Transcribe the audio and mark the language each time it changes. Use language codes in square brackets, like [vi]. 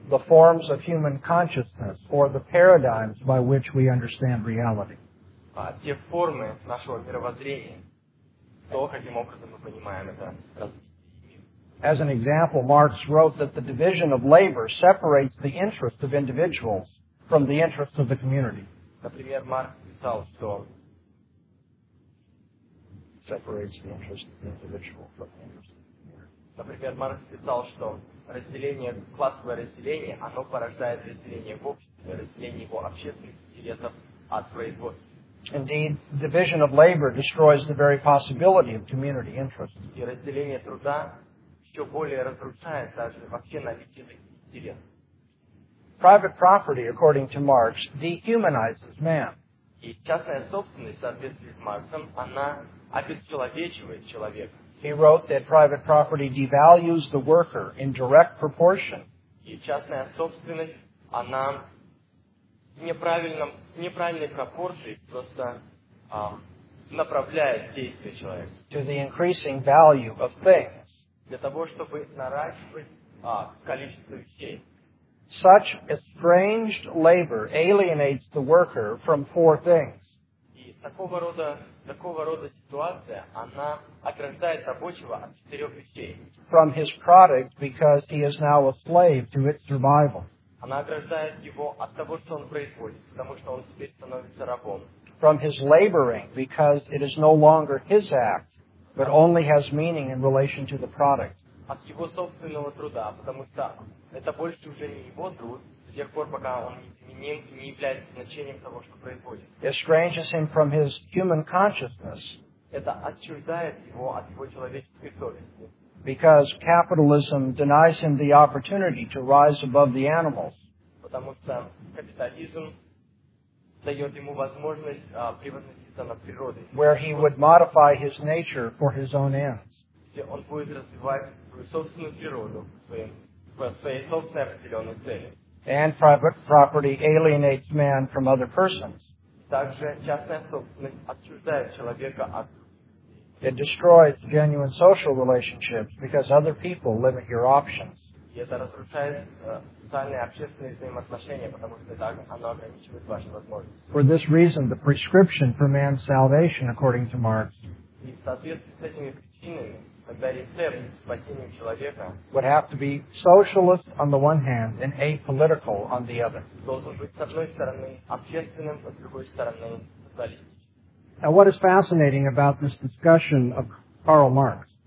[en] The forms of human consciousness or the paradigms by which we understand reality. [ru] Те формы нашего мировоззрения, то, каким образом мы понимаем это. [en] As an example, Marx wrote that the division of labor separates the interests of individuals from the interests of the community. [ru] Например, Маркс писал, что [en] separates the interest of the individual from the interest of the community. [ru] Например, Маркс писал, что разделение, классовое разделение, оно порождает разделение в обществе, разделение его общественных интересов от производства. [en] Indeed, division of labor destroys the very possibility of community interest. [ru] И разделение труда еще более разрушает даже вообще наличие интересов. [en] Private property, according to Marx, dehumanizes man. [ru] И частная собственность, соответственно, с Марксом, она обесчеловечивает человека. [en] He wrote that private property devalues the worker in direct proportion. [ru] И частная собственность, она в неправильной пропорции просто направляет действие человека. [en] To the increasing value of things. [ru] Для того, чтобы наращивать количество вещей. [en] Such estranged labor alienates the worker from four things. [ru] И такого рода ситуация, она ограждает рабочего от четырех вещей. [en] From his product, because he is now a slave to its survival. [ru] Она ограждает его от того, что он производит, потому что он теперь становится рабом. [en] From his laboring, because it is no longer his act, but only has meaning in relation to the product. [ru] От его собственного труда, потому что это больше уже не его труд, с тех пор, пока он не является значением того, что производит. [en] It estranges him from his human consciousness. [ru] Это отчуждает его от его человеческой совести. [en] Because capitalism denies him the opportunity to rise above the animals. [ru] Потому что капитализм дает ему возможность превозноситься над природой. [en] Where he would modify his nature for his own ends. [ru] Где он будет развивать свою собственную природу по своей собственной определенной цели. [en] And private property alienates man from other persons. [ru] Также частная собственность отчуждает человека от. [en] It destroys genuine social relationships because other people limit your options. [ru] Это разрушает социальные общественные взаимоотношения, потому что так оно ограничивает ваши возможности. [en] For this reason, the prescription for man's salvation, according to Marx, [ru] и в соответствии с этими причинами, тогда рецепт спасения человека [en] would have to be socialist on the one hand and apolitical on the other. [ru] Должен быть с одной стороны общественным, а с другой стороны социалистическим. [en] Now, what is fascinating about this discussion of Karl Marx?